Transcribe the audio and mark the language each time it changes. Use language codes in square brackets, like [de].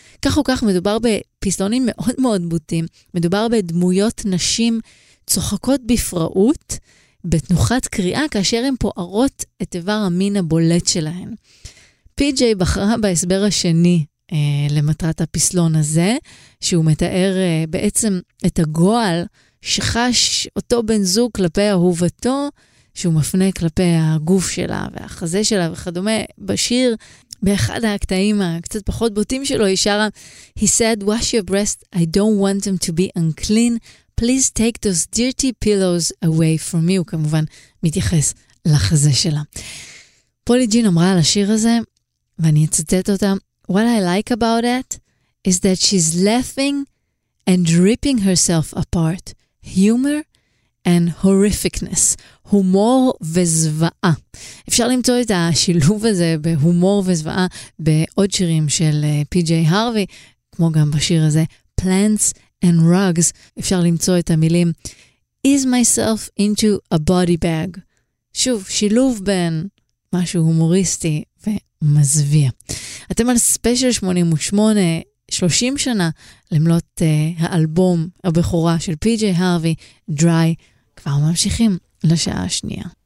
[he] כך או כך מדובר בפסלונים מאוד מאוד בוטים, מדובר בדמויות נשים צוחקות בפראות, בתנוחת קריאה, כאשר הן פוערות את איבר המין הבולט שלהן. פי-ג'יי בחרה בהסבר השני למטרת הפסלון הזה, שהוא מתאר בעצם את הגועל, שחש אותו בן זוג כלפי אהובתו, שהוא מפנה כלפי הגוף שלה והחזה שלה וכדומה. בשיר, באחד הקטעים הקצת פחות בוטים שלו, היא שרה, [en] He said, wash your breast, I don't want them to be unclean. Please take those dirty pillows away from me. [he] הוא כמובן מתייחס לחזה שלה. פולי ג'ין אמרה על השיר הזה, ואני אצטט אותה, [en] What I like about it is that she's laughing and ripping herself apart. Humor and horrificness. [he] הומור וזוועה. אפשר למצוא את השילוב הזה בהומור וזוועה בעוד שירים של פי-ג'יי הרווי, כמו גם בשיר הזה, Plants and Rugs. אפשר למצוא את המילים, [en] Is myself into a body bag. [he] שוב, שילוב בין משהו הומוריסטי ומזוויע. אתם על ספיישל 88, 30 שנה למלות האלבום הבכורה של פי-ג'יי הרווי, דריי, כבר ממשיכים לשעה השנייה.